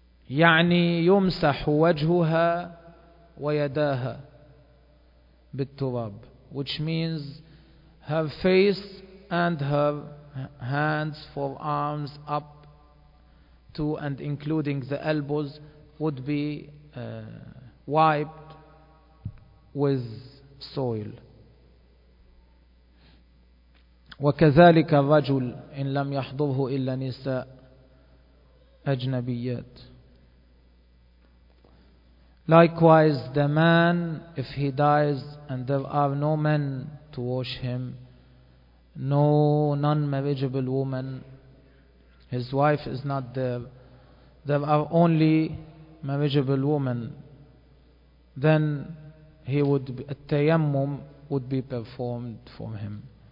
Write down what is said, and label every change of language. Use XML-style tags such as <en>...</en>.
<ar>يعني يمسح وجهها ويداها بالتراب,</ar> <en>which means her face and her hands, forearms up to and including the elbows, would be wiped with soil.</en> <ar>وكذلك الرجل إن لم يحضره إلا نساء أجنبيات.</ar> <en>Likewise, the man, if he dies and there are no men to wash him, no non-marriageable woman, his wife is not there, there are only marriageable women, then he would be, at-tayammum would be performed for him.</en>